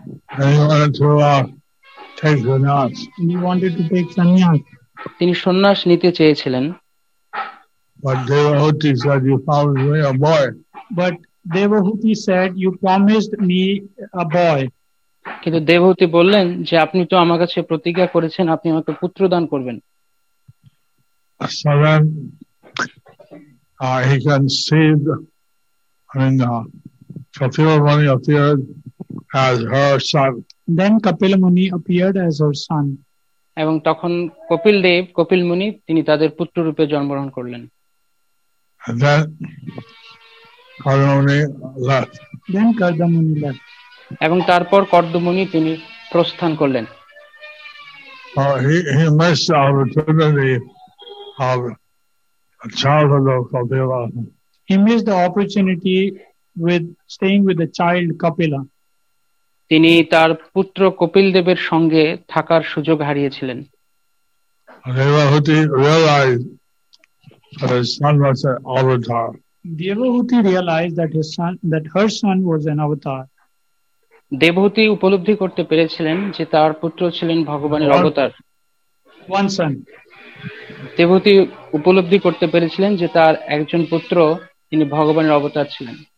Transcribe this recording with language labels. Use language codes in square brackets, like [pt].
[en] And he wanted to take sannyas. He wanted to take sannyas. [bn] Tini sannyas nite cheyechilen. [en] But Devahuti said, "You promised me a boy." But Devahuti said, "You promised me a boy." [bn] কিন্তু দেবহুতি বললেন যে আপনি তো আমার কাছে প্রতিজ্ঞা করেছেন আপনি আমাকে পুত্র দান করবেন। [en] So then, he conceived. Kapila Muni appeared as her son. Then Kapila Muni appeared as her son. [bn] এবং তখন কপিল দেব, কপিল মুনি তিনি তাদের পুত্র রূপে জন্মগ্রহণ করলেন। [en] And then Kardamuni left. Then Kardamuni left. [bn] এবং তারপর কর্দমুনি তিনি প্রস্থান করলেন। [en] He missed the opportunity of a childhood of Kapila. He missed the opportunity with staying with the child Kapila. [bn] তিনি তার পুত্র কপিল দেবের সঙ্গে থাকার সুযোগ হারিয়েছিলেন। [en] Devahuti realized that his son was an avatar. Devahuti realized that his son, that her son was an avatar. [bn] দেবহুতি উপলব্ধি করতে পেরেছিলেন যে তার পুত্র ছিলেন ভগবানের অবতার। [en] One son. [bn] দেবহুতি উপলব্ধি করতে পেরেছিলেন যে তার একজন পুত্র তিনি ভগবানের অবতার ছিলেন।